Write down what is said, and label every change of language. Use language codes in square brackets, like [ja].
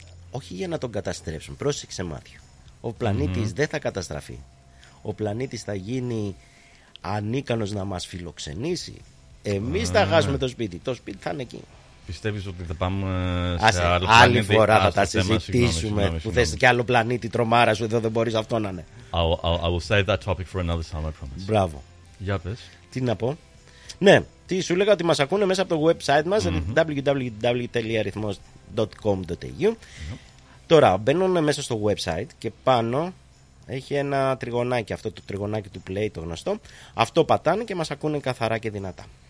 [el] Όχι για να τον καταστρέψουν. Πρόσεξε Μάθιο. Ο πλανήτης δεν θα καταστραφεί. Ο πλανήτης θα γίνει ανίκανος να μας φιλοξενήσει. Εμείς θα χάσουμε το σπίτι. Το σπίτι θα είναι εκεί. Πιστεύεις ότι θα πάμε σε άλλο πλανήτη. Άλλη φορά θα τα συζητήσουμε. Που θες και άλλο πλανήτη τρομάρα σου. Εδώ δεν μπορείς αυτό να είναι. [en] I will save that topic for another time, I promise. [el] Μπράβο. Για πες. Τι να πω. Ναι, τι σου λέγα ότι μας ακούνε μέσα από το website μας www.rythmos.com.au. Τώρα μπαίνουν μέσα στο website και πάνω έχει ένα τριγωνάκι, αυτό το τριγωνάκι του Play το γνωστό. Αυτό πατάνε και μας ακούνε καθαρά και δυνατά.